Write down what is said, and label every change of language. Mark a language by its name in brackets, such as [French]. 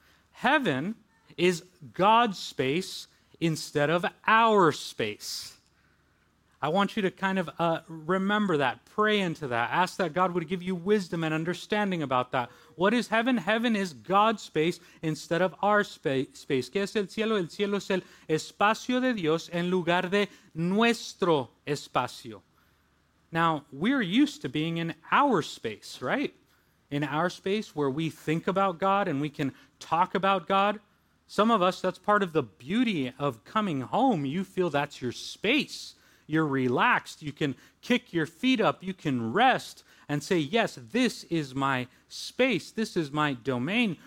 [English] Heaven is God's space instead of our space. I want you to kind of remember that, pray into that, ask that God would give you wisdom and understanding about that. What is heaven? Heaven is God's space instead of our space. [Spanish] ¿Qué es el cielo? El cielo es el espacio de Dios en lugar de nuestro espacio. [English] Now, we're used to being in our space, right? In our space where we think about God and we can talk about God. Some of us, that's part of the beauty of coming home. You feel that's your space. You're relaxed, you can kick your feet up, you can rest and say, yes, this is my space, this is my domain.